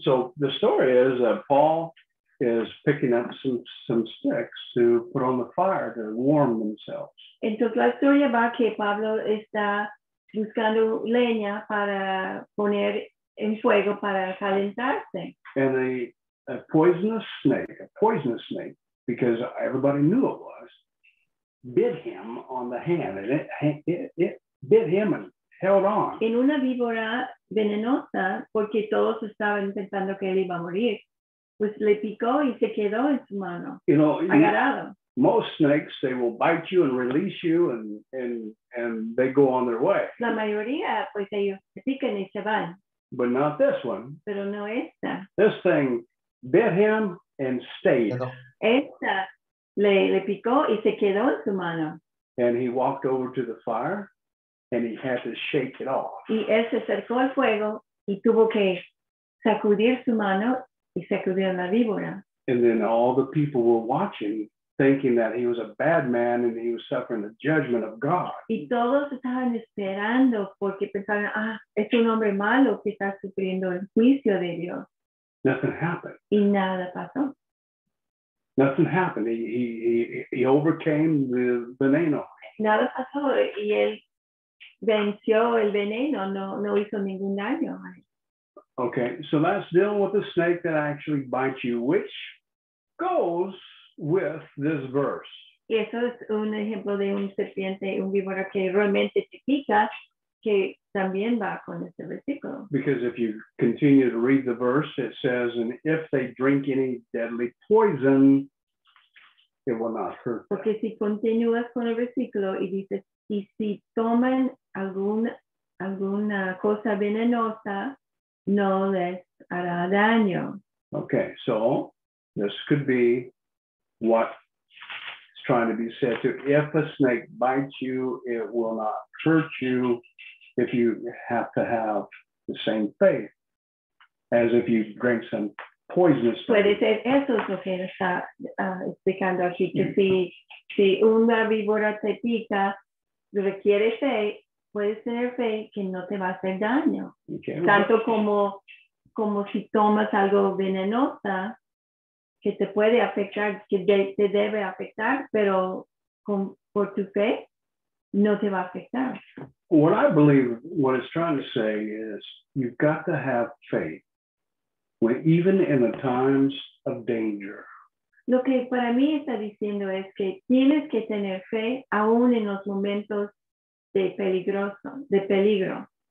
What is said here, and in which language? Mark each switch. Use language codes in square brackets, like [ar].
[en] So the story is that Paul is picking up some sticks to put on the fire to warm themselves. [es] Entonces la historia va que Pablo está buscando leña para poner en fuego para calentarse. [en] And a poisonous snake, because everybody knew it was, bit him on the hand, and it bit him and held on. [es] En una víbora venenosa, porque todos estaban pensando que él iba a morir, pues le picó y se quedó en su mano, agarrado. [en] Most snakes, they will bite you and release you and they go on their way. [es] La mayoría, pues ellos pican y se van. [en] But not this one. [es] Pero no esta. [en] This thing bit him and stayed. [es] Esta le picó y se quedó en su mano. [en] And he walked over to the fire and he had to shake it off. [es] Y él se acercó al fuego y tuvo que sacudir su mano y sacudir la víbora. [en] And then all the people were watching, thinking that he was a bad man and he was suffering the judgment of God. [es] Y todos estaban esperando porque pensaban, es un hombre malo que está sufriendo el juicio de Dios. [en] Nothing happened. [es] Y nada pasó. [en] Nothing happened. He overcame the veneno. [es] Nada pasó y él venció el veneno. No hizo ningún daño. [en] Okay, so that's dealing with the snake that actually bites you, which goes with this verse. [es] Y eso es un ejemplo de un serpiente, un víbora que realmente te pica, que también va con este versículo. [en] Because if you continue to read the verse, it says, and if they drink any deadly poison, it will not hurt. [es] Porque si continúas con el versículo y dices, y si toman alguna cosa venenosa, no les hará daño. [en] Okay, so this could be what is trying to be said to, if a snake bites you, it will not hurt you, if you have to have the same faith as if you drink some poisonous snake. [es] Puede ser eso es lo que está explicando aquí, que si una víbora te pica, requiere fe, puedes tener fe que no te va a hacer daño. [en] Okay, [es] tanto como si tomas algo venenosa, que te puede afectar, que te debe afectar, pero por tu fe, no te va a afectar. [en] What I believe, what it's trying to say is, you've got to have faith, even in the times of danger. [es] Lo que para mí está diciendo es que tienes que tener fe, aún en los momentos de peligro.